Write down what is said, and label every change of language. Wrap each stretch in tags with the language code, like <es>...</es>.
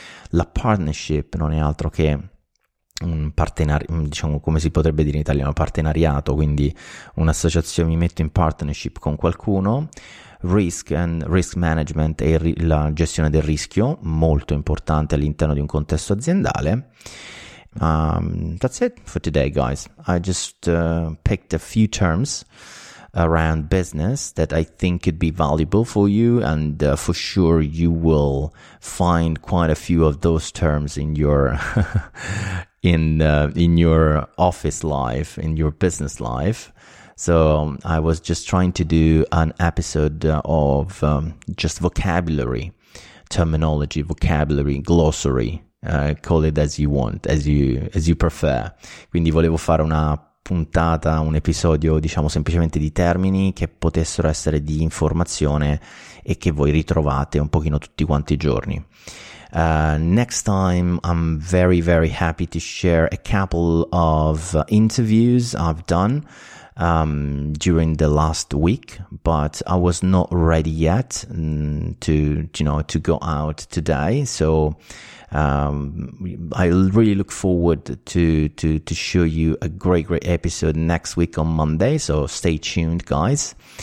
<it>La partnership non è altro che un partenariato, diciamo, come si potrebbe dire in italiano, partenariato, quindi un'associazione, mi metto in partnership con qualcuno.</it> <en>Risk and risk management</en> <it>è la gestione del rischio, molto importante all'interno di un contesto aziendale.</it> <en>That's it for today, guys. I just picked a few terms around business that I think could be valuable for you, and for sure you will find quite a few of those terms in your in your office life, in your business life. So I was just trying to do an episode of just vocabulary, terminology, vocabulary, glossary. Call it as you want, as you prefer.</en> <it>Quindi volevo fare una puntata, un episodio, diciamo, semplicemente di termini che potessero essere di informazione e che voi ritrovate un pochino tutti quanti i giorni.</it> <en>Next time I'm very very happy to share a couple of interviews I've done during the last week, but I was not ready yet to go out today, so I really look forward to show you a great episode next week on Monday, so stay tuned, guys.</en>